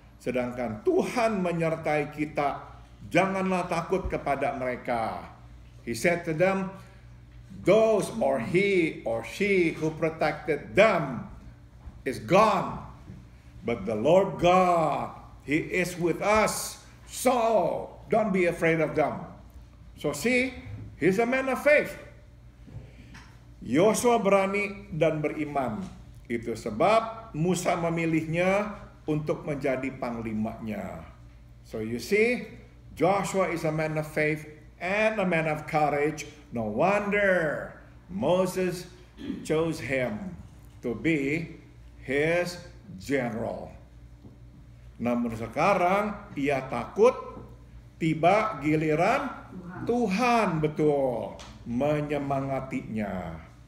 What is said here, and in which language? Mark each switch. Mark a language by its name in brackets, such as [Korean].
[Indonesian] Sedangkan Tuhan menyertai kita, janganlah takut kepada mereka. [English] He said to them, those or he or she who protected them is gone. But the Lord God, he is with us. So don't be afraid of them. So see, he's a man of faith. [Indonesian] Yosua berani dan beriman. Itu sebab Musa memilihnya untuk menjadi panglimanya. [English] So you see, Joshua is a man of faith and a man of courage. No wonder Moses chose him to be his general. [Indonesian] Namun sekarang ia takut, tiba giliran Tuhan betul menyemangatinya.